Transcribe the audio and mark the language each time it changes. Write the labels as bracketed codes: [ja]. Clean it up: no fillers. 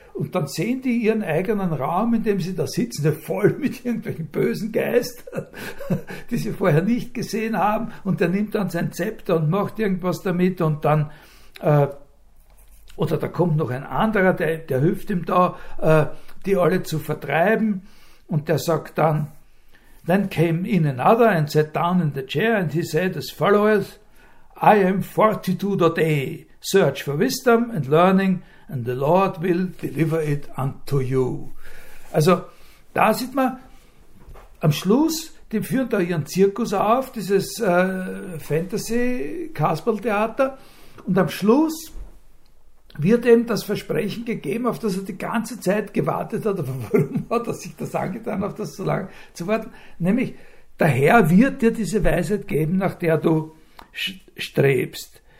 [de] Und dann sehen die ihren eigenen Raum, in dem sie da sitzen, voll mit irgendwelchen bösen Geistern, die sie vorher nicht gesehen haben. Und der nimmt dann sein Zepter und macht irgendwas damit. Und dann, oder da kommt noch ein anderer, der hilft ihm da, die alle zu vertreiben. Und der sagt dann, [en] Then came in another and sat down in the chair, and he said as followeth, I am 42.a, search for wisdom and learning, and the Lord will deliver it unto you. [de] Also, da sieht man, am Schluss, die führen da ihren Zirkus auf, dieses Fantasy-Kasperl-Theater, und am Schluss wird ihm das Versprechen gegeben, auf das er die ganze Zeit gewartet hat. Aber warum hat er sich das angetan, auf das so lange zu warten? Nämlich, der Herr wird dir diese Weisheit geben, nach der du strebst.